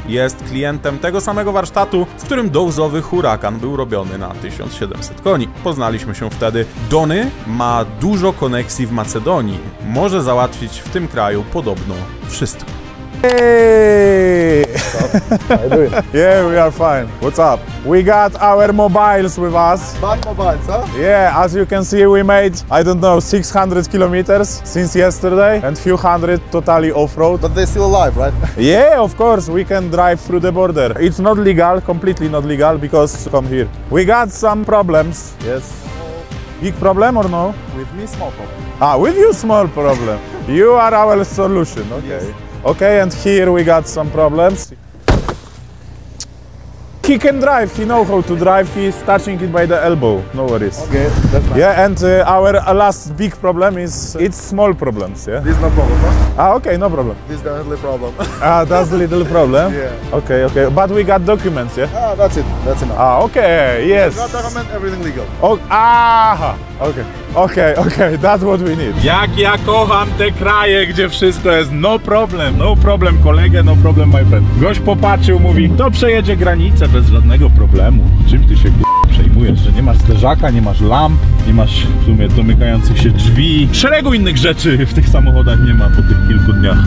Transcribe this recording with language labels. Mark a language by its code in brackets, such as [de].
[pl] Jest klientem tego samego warsztatu, w którym dozowy Huracan był robiony na 1700 koni. Poznaliśmy się wtedy. Dony ma dużo koneksji w Macedonii. Może załatwić w tym kraju podobno wszystko. [en] Hey! How are you doing? Yeah, we are fine. What's up? We got our mobiles with us. Bike mobiles, huh? Yeah, as you can see, we made, I don't know, 600 kilometers since yesterday and few hundred totally off-road. But they're still alive, right? Yeah, of course, we can drive through the border. It's not legal, completely not legal, because come here. We got some problems. Yes. Big problem or no? With me, small problem. Ah, with you, small problem. You are our solution, okay. Yes. Okay, and here we got some problems. He can drive, he knows how to drive, he's touching it by the elbow, no worries. Okay, that's nice. Yeah, and our last big problem is, it's small problems, yeah? This is no problem, huh? Ah, okay, no problem. This is the little problem. Ah, that's the little problem? Yeah. Okay, okay, but we got documents, yeah? Ah, that's it, that's enough. Ah, okay, yes. We got document, everything legal. Oh, aha, okay. Okej, okay, okej, okay, that's what we need. [pl] Jak ja kocham te kraje, gdzie wszystko jest [en] no problem, no problem [pl] kolegę, [en] no problem my friend. [pl] Gość popatrzył, mówi, to przejedzie granicę bez żadnego problemu. Czym ty się przejmujesz, że nie masz zderzaka, nie masz lamp, nie masz w sumie domykających się drzwi. Szeregu innych rzeczy w tych samochodach nie ma po tych kilku dniach.